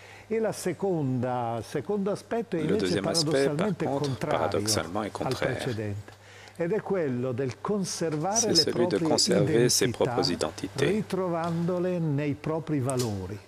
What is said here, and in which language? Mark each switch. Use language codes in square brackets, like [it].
[it] Et la seconda aspetto è invece paradossalmente contrario al precedente. [fr] C'est celui de conserver ses propres identités, [it] ritrovandole nei propri valori.